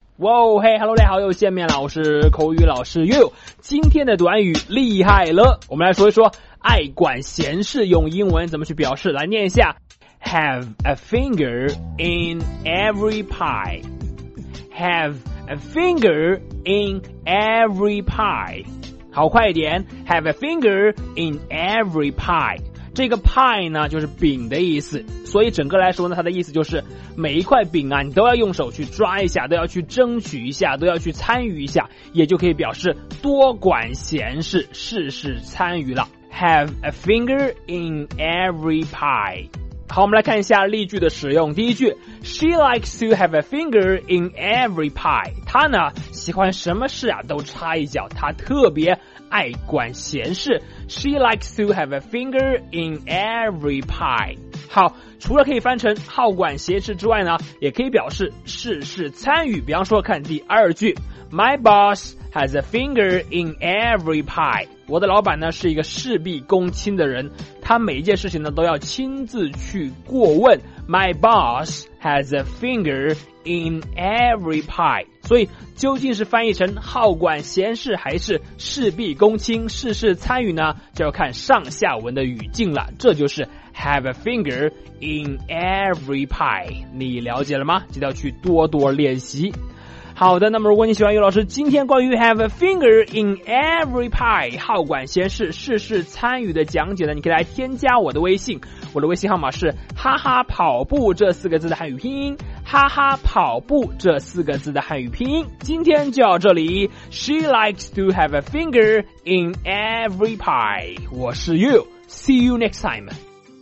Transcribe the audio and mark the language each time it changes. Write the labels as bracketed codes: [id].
[zh] 哇哦，嘿哈喽，大家好，又见面了，我是口语老师悠悠。今天的短语厉害了，我们来说一说爱管闲事用英文怎么去表示。来念一下 [en] Have a finger in every pie. Have a finger in every pie. [zh] 好，快一点， [en] Have a finger in every pie。 [zh] 这个 pie 呢就是饼的意思，所以整个来说呢，它的意思就是每一块饼啊，你都要用手去抓一下，都要去争取一下，都要去参与一下，也就可以表示多管闲事，事事参与了。 [en] Have a finger in every pie。 [zh] 好，我们来看一下例句的使用。第一句， [en] She likes to have a finger in every pie。 [zh] 她呢喜欢什么事啊都插一脚，她特别爱管闲事。 [en] She likes to have a finger in every pie。 [zh] 好，除了可以翻成好管闲事之外呢，也可以表示事事参与。比方说看第二句， [en] My boss has a finger in every pie。 [zh] 我的老板呢是一个事必躬亲的人，他每一件事情呢都要亲自去过问。 [en] My boss has a finger in every pie。 [zh] 所以究竟是翻译成好管闲事还是事必躬亲事事参与呢，就要看上下文的语境了。这就是 [en] have a finger in every pie。 [zh] 你了解了吗？记得要去多多练习。好的，那么如果你喜欢悠老师今天关于 [en] have a finger in every pie [zh] 好管闲事事事参与的讲解呢，你可以来添加我的微信，我的微信号码是哈哈跑步这四个字的汉语拼音，哈哈跑步这四个字的汉语拼音。今天就到这里， [en] She likes to have a finger in every pie。 [zh] 我是 [en] You， See you next time。